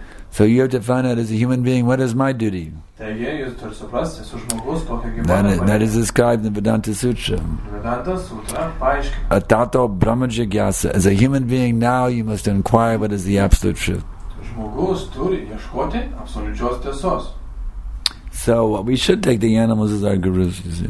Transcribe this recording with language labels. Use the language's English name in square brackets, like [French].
[English] So you have to find out as a human being, what is my duty? That is described in the Vedanta Sutra. [Sanskrit] Atato brahma jigyasa. [English] As a human being, now you must inquire what is the absolute truth. [Lithuanian] Žmogus turi ieškoti absoliučios tiesos. [English] So we should take the animals as our gurus.